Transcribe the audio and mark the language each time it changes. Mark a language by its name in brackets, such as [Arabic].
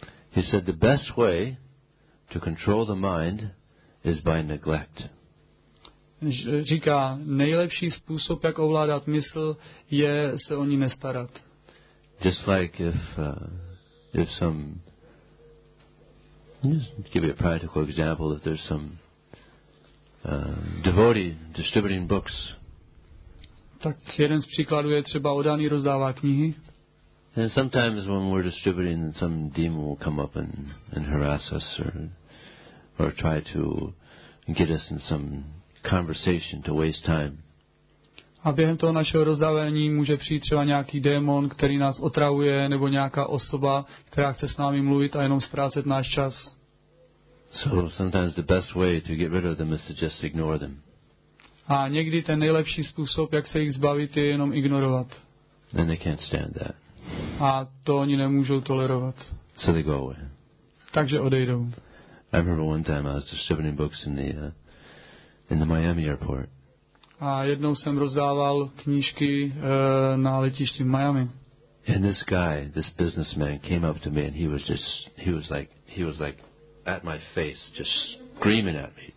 [English] He said the best way to control the mind is by neglect. [Czech] Říká, nejlepší způsob, jak ovládat mysl, je se o ní nestarat. [English] Just like if some, just give you a practical example, if there's some devotee distributing books. [Czech] Tak jeden z příkladů je třeba odaný rozdává knihy. [English] And sometimes when we're distributing, some demon will come up and harass us or try to get us in some conversation to waste time. [Czech] A během toho našeho rozdávání může přijít třeba nějaký démon, který nás otravuje, nebo nějaká osoba, která chce s námi mluvit a jenom ztrácet náš čas. [English] So sometimes the best way to get rid of them is to just ignore them. [Czech] A někdy ten nejlepší způsob, jak se jich zbavit, je jenom ignorovat. [English] And they can't stand that. [Czech] A to oni nemůžou tolerovat. [English] So they go away. [Czech] Takže odejdou. [English] I remember one time I was distributing books in the Miami airport. [Czech] A jednou jsem rozdával knížky na letišti v Miami. [English] And this guy, this businessman, came up to me and he was like at my face, just screaming at me.